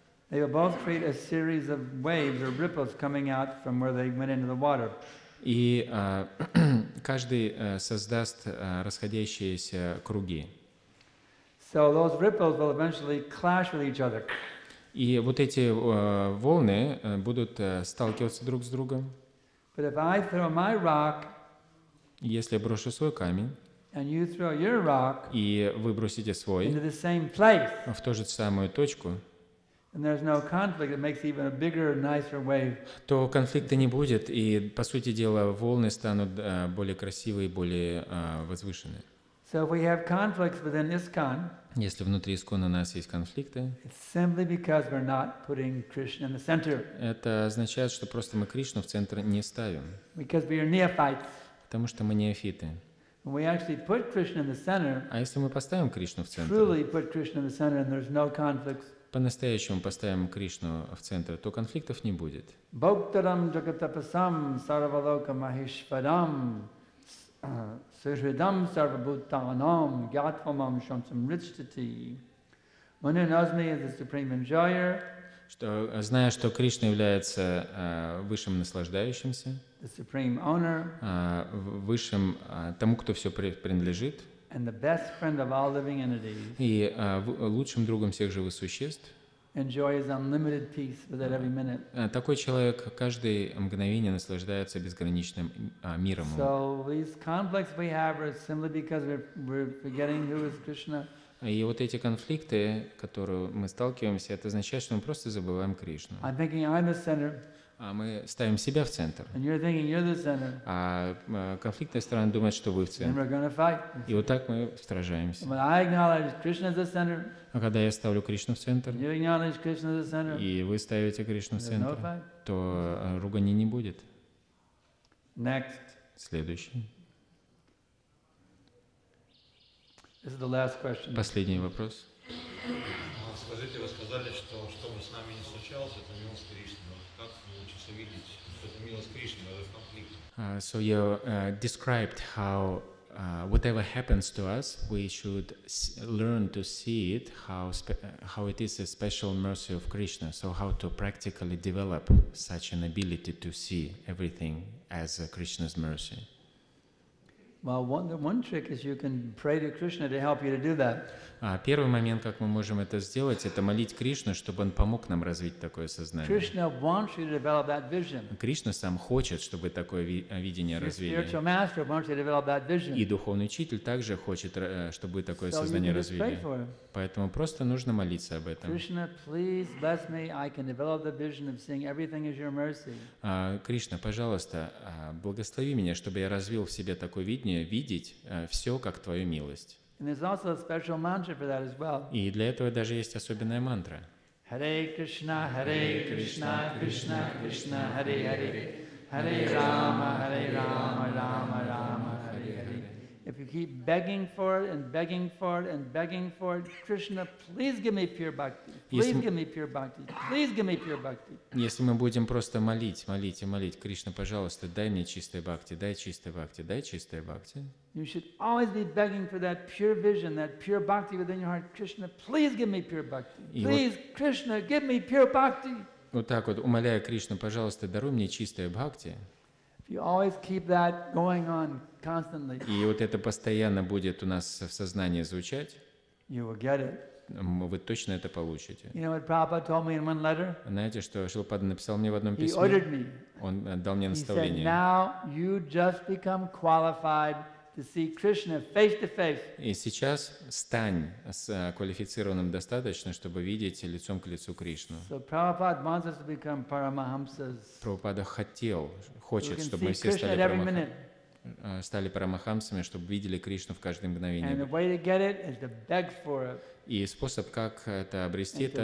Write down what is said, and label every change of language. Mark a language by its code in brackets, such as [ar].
[en] they will both create a series of waves or ripples coming out from where they went into the water. [ru] И каждый создаст расходящиеся круги. [en] So those ripples will eventually clash with each other. [ru] И вот эти волны будут сталкиваться друг с другом. [en] But if I throw my rock [ru] Если я брошу свой камень, [en] and you throw your rock, [ru] и вы бросите свой [en] into the same place, [ru] в ту же самую точку, [en] and there's no conflict, it makes even a bigger, nicer wave. [ru] То конфликта не будет, и, по сути дела, волны станут более красивые, более возвышенные. [en] So if we have conflicts within ISKCON, [ru] если внутри ИСККОНа у нас есть конфликты, [en] it's simply because we're not putting Krishna in the center. [ru] Это означает, что просто мы Кришну в центр не ставим. [en] Because we are neophytes. [ru] Потому что мы неофиты. [en] We actually put Krishna in the center, [ru] а если мы поставим Кришну в центр, [en] truly put Krishna in the center and there's no conflicts, [ru] по-настоящему поставим Кришну в центр, то конфликтов не будет. [sa] Бхактарам джагатапасам сарвалока махишварам сужридам сарвабхутанам гьятвамам шамсамриджтати. [en] One who knows me is the supreme enjoyer. [ru] Что, зная, что Кришна является высшим наслаждающимся, [en] the supreme owner, [ru] высшим тому, кто все принадлежит, [en] and the best friend of all living entities, [ru] и лучшим другом всех живых существ, [en] enjoy his unlimited peace with every minute. [ru] Такой человек каждое мгновение наслаждается безграничным миром. [en] So these conflicts we have are simply because we're forgetting who is Krishna. [ru] И вот эти конфликты, которые мы сталкиваемся, это означает, что мы просто забываем Кришну. [en] I'm thinking I'm the center. [ru] А мы ставим себя в центр. [en] And you're thinking you're the center. [ru] А конфликтная сторона думает, что вы в центре. [en] And we're gonna fight. [ru] И вот так мы сражаемся. [en] When I acknowledge Krishna as the center, [ru] а когда я ставлю Кришну в центр, [en] you acknowledge Krishna as the center, [ru] и вы ставите Кришну в центр, [en] no fight, [ru] то ругани не будет. [en] Next. [ru] Следующий. [en] This is the last question. [ru] Последний вопрос. Скажите, вы сказали, что что бы с нами ни случалось, это милость Кришны. Как научиться видеть, что это милость Кришны, даже в конфликте? [en] So you described how whatever happens to us, we should learn to see it, how it is a special mercy of Krishna. So how to practically develop such an ability to see everything as Krishna's mercy. Well, one trick is you can pray to Krishna to help you to do that. [ru] Первый момент, как мы можем это сделать, это молить Кришну, чтобы он помог нам развить такое сознание. [en] Krishna wants you to develop that vision. [ru] Кришна сам хочет, чтобы такое видение развили. [en] Your spiritual master wants you to develop that vision. [ru] И духовный учитель также хочет, чтобы такое сознание развили. [en] So you can just pray for him. [ru] Поэтому просто нужно молиться об этом. [en] Krishna, please bless me. I can develop the vision of seeing everything as your mercy. [ru] Кришна, пожалуйста, благослови меня, чтобы я развил в себе такое видение, видеть все как твою милость. И для этого даже есть особенная мантра. [sa] Харе Кришна, Харе Кришна, Кришна Кришна, Харе Харе. Харе Рама, Харе Рама, Рама Рама, Харе Харе. [en] If you keep begging for it and begging for it and begging for it, Krishna, please give me pure bhakti. Please give me pure bhakti. Please give me pure bhakti. [ru] Если мы будем просто молить, молить и молить, Кришна, пожалуйста, дай мне чистой бхакти, дай чистой бхакти, дай чистой бхакти. [en] You should always be begging for that pure vision, that pure bhakti within your heart. Krishna, please give me pure bhakti. Please, Krishna, give me pure bhakti. [ru] Вот так вот, умоляя Кришну, пожалуйста, даруй мне чистой бхакти. [en] If you always keep that going on constantly, [ru] и вот это постоянно будет у нас в сознании звучать, [en] you will get it. [ru] Вы точно это получите. [en] You know what Prabhupada told me in one letter? [ru] Знаете, что Шилпада написал мне в одном письме? [en] He ordered me. [ru] Он дал мне наставление. [en] He said, "Now you just become qualified to see Krishna face to face." [ru] И сейчас стань квалифицированным достаточно, чтобы видеть лицом к лицу Кришну. [en] So Prabhupada wants us to become paramahamsas. [ru] Прабхупада хотел, хочет, чтобы мы все стали [en] paramahamsas. [ru] Стали парамахамсами, чтобы видели Кришну в каждое мгновение. [en] And the way to get it is to beg for it. [ru] И способ, как это обрести, это